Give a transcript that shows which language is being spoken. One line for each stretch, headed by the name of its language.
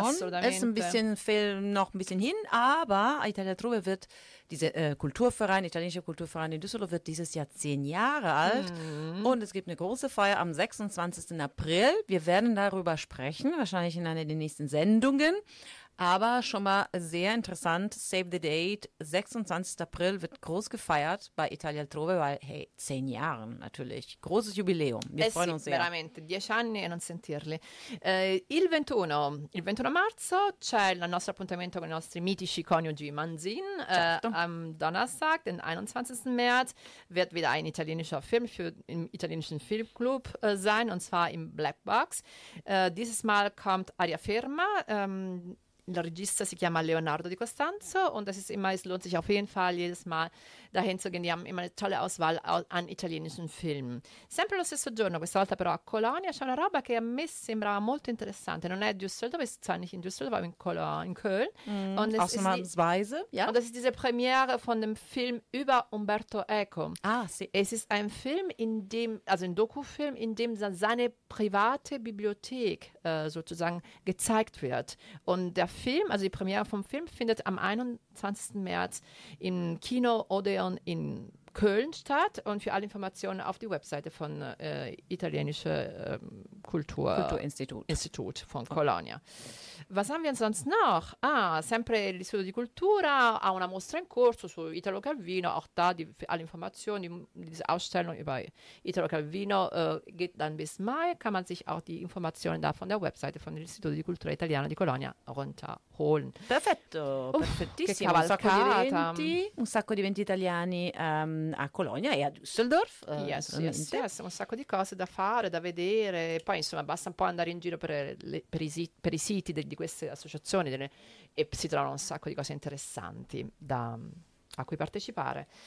German: Es ist ein bisschen, fehlt noch ein bisschen hin, aber Italia Trove wird, dieser Kulturverein, italienische Kulturverein in Düsseldorf wird dieses Jahr 10 Jahre alt und es gibt eine große Feier am 26. April. Wir werden darüber sprechen, wahrscheinlich in einer der nächsten Sendungen, aber schon mal sehr interessant,
English: save the date,
German: 26. April wird groß gefeiert bei Italia Trove, weil, hey, 10 Jahre natürlich, großes Jubiläum, wir freuen uns sehr.
Italian: Veramente, 10 anni e non sentirli. Il 21 marzo c'è il nostro appuntamento con i nostri mitici coniugi Manzin,
German: am Donnerstag, den 21. März, wird wieder ein italienischer Film für im italienischen Filmclub sein, und zwar im Black Box. Dieses Mal kommt Aria Ferma,
Italian: il regista si chiama Leonardo Di Costanzo
German: und das ist immer, es lohnt sich auf jeden Fall jedes Mal dahin zu gehen. Die haben immer eine tolle Auswahl an italienischen Filmen.
Italian: Sempre lo stesso giorno, questa volta però a Colonia, c'è una roba che a me sembra molto interessante. Non è Düsseldorf,
German: ist zwar nicht in Düsseldorf, aber in Köln. Ausnahmsweise, ja. Und das ist diese Premiere von dem Film über Umberto Eco.
Italian: Ah, sì.
German: Es ist ein Film, in dem, also ein Dokufilm, in dem seine private Bibliothek sozusagen gezeigt wird. Und der Film, also die Premiere vom Film, findet am 21. März im Kino Odeon in Köln statt und für alle Informationen auf die Webseite von italienische Kulturinstitut Institut von Colonia. Was haben wir sonst noch? Ah,
Italian: sempre l'Istituto di Cultura ha una mostra in corso su Italo Calvino,
German: auch da die, für alle Informationen, diese Ausstellung über Italo Calvino geht dann bis Mai, kann man sich auch die Informationen da von der Webseite von l'Istituto di Cultura Italiana di Colonia runterholen.
Italian: Perfetto, perfettissimo. Che cavalcata. Un sacco di eventi italiani a Colonia e a Düsseldorf. Yes, un sacco di cose da fare, da vedere, poi insomma basta un po' andare in giro per i siti di queste associazioni e si trovano un sacco di cose interessanti a cui partecipare.